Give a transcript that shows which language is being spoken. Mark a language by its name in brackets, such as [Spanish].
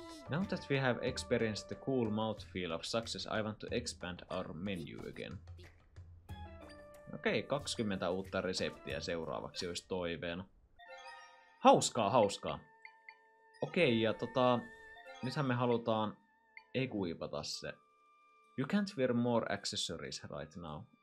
[English] Now that we have experienced the cool mouthfeel of success, I want to expand our menu again. [Finnish] Okei, 20 uutta reseptiä seuraavaksi olisi toiveena. Hauskaa, hauskaa. Okei, ja nythän me halutaan ekuipata se. [English] You can't wear more accessories right now.